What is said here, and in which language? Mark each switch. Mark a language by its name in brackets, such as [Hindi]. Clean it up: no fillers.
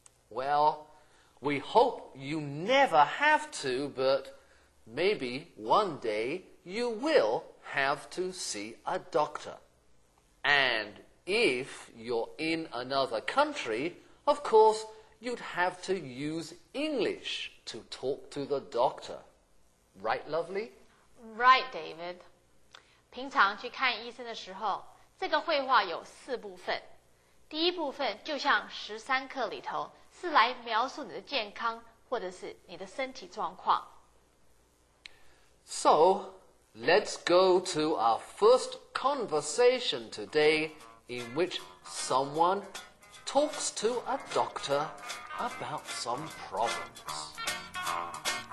[English] Well, we hope you never have to, but maybe one day you will have to see a doctor. And if you're in another country, of course, you'd have to use English to talk to the doctor. Right, Lovely? Right, David. [Chinese] 平常去看医生的时候，这个绘画有四部分。第一部分就像十三课里头，是来描述你的健康或者是你的身体状况。 [English] So, let's go to our first conversation today, in which someone talks to a doctor about some problems.